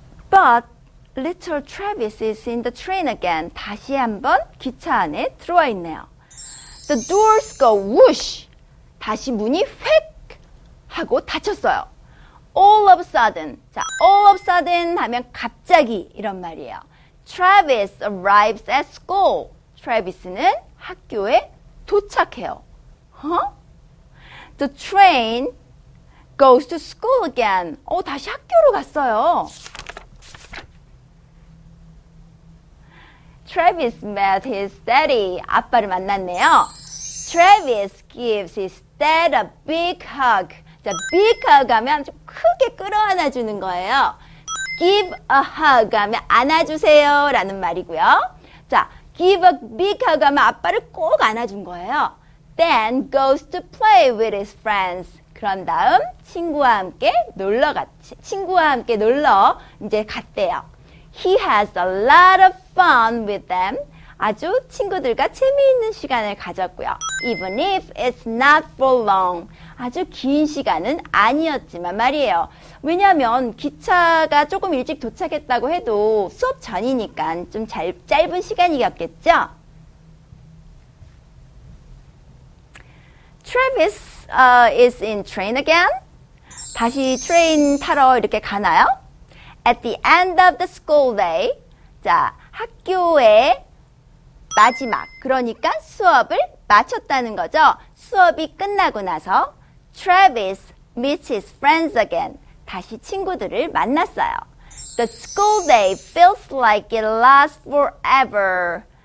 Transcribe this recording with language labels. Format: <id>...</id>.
<en>But little Travis is in the train again.</en> <ko>다시 한번 기차 안에 들어와 있네요.</ko> <en>The doors go whoosh.</en> <ko>다시 문이 휙 하고 닫혔어요.</ko> <en>All of a sudden. 자, all of a sudden</en> <ko>하면 갑자기 이런 말이에요.</ko> <en>Travis arrives at school.</en> <ko>Travis는 학교에 도착해요.</ko> <en>Huh? The train goes to school again.</en> <ko>다시 학교로 갔어요.</ko> <en>Travis met his daddy.</en> <ko>아빠를 만났네요.</ko> <en>Travis gives his dad a big hug.</en> <ko>자, big hug 하면 좀 크게 끌어안아주는 거예요.</ko> <en>Give a hug</en> <ko>하면 안아주세요 라는 말이고요. 자,</ko> <en>give a big hug</en> <ko>하면 아빠를 꼭 안아준 거예요.</ko> <en>Then goes to play with his friends.</en> <ko>그런 다음 친구와 함께 놀러 이제 갔대요.</ko> <en>He has a lot of fun with them.</en> <ko>아주 친구들과 재미있는 시간을 가졌고요.</ko> <en>Even if it's not for long.</en> <ko>아주 긴 시간은 아니었지만 말이에요. 왜냐하면 기차가 조금 일찍 도착했다고 해도 수업 전이니까 좀 짧은 시간이었겠죠?</ko> <en>Travis is in train again.</en> <ko>다시 트레인 타러 이렇게 가나요?</ko> <en>At the end of the school day.</en> <ko>자, 학교에 마지막, 그러니까 수업을 마쳤다는 거죠. 수업이 끝나고 나서</ko> <en>Travis meets his friends again.</en> <ko>다시 친구들을 만났어요.</ko> <en>The school day feels like it lasts forever.</en>